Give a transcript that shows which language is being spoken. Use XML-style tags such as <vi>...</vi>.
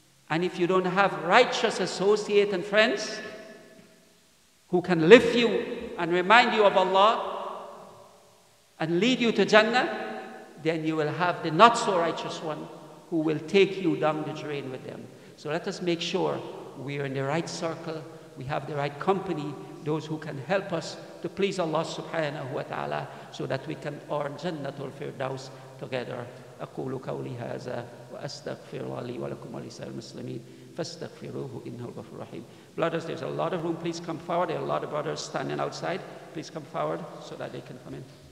<en>And if you don't have righteous associates and friends who can lift you and remind you of Allah and lead you to Jannah, then you will have the not so righteous one who will take you down the drain with them. So let us make sure we are in the right circle, we have the right company, those who can help us to please Allah subhanahu wa ta'ala, so that we can earn Jannatul Firdaus together.</en> <ar>أقول قولي هذا وأستغفر لي ولكم ولسائر المسلمين فاستغفروه إنه الغفور الرحيم.</ar> <en>Brothers, there's a lot of room. Please come forward. There are a lot of brothers standing outside. Please come forward so that they can come in.</en>